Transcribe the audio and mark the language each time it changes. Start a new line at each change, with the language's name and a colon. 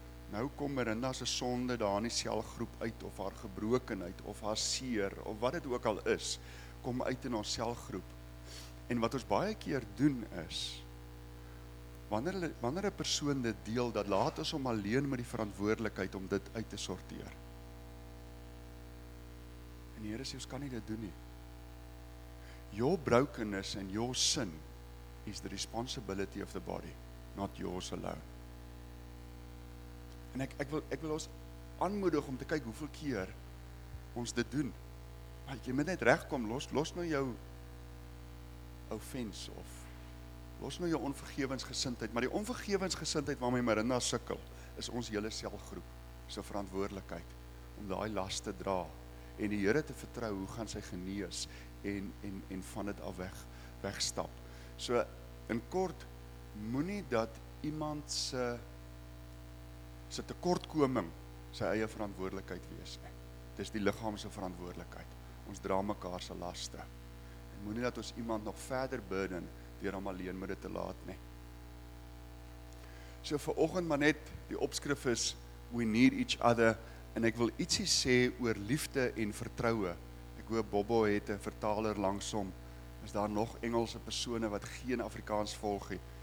Afrikaans: Nou kom Marinda se sonde daar in die selgroep uit, of haar gebrokenheid, of haar seer, of wat dit ook al is, kom uit in ons selgroep. En wat ons baie keer doen is, wanneer 'n persoon dit deel, dat laat ons hom alleen met die verantwoordelikheid om dit uit te sorteer. En die Here sê, ons kan nie dit doen nie.
English: Your brokenness and your sin is the responsibility of the body, not yours alone.
Afrikaans: En ek wil ons aanmoedig om te kyk hoeveel keer ons dit doen. Maar jy moet net regkom, los nou jou offense of los nou jou onvergewensgesindheid. Maar die onvergewensgesindheid waarmee Marinda sukkel, is ons hele selgroep se verantwoordelikheid om daai las te dra en die Here te vertrou hoe gaan sy genees en van dit af wegstap. So in kort, moenie dat iemand se tekortkoming sy eie verantwoordelikheid wees nie. Dis die liggaam se verantwoordelikheid. Ons dra mekaar se laste. En moenie dat ons iemand nog verder burden deur hom alleen met dit te laat nie. So vir oggend maar net die opskrif is
English: we need each other,
Afrikaans: en ek wil ietsie sê oor liefde en vertroue. Ek hoop Bobbo het 'n vertaler langs hom. Is daar nog Engelse persone wat geen Afrikaans volg nie?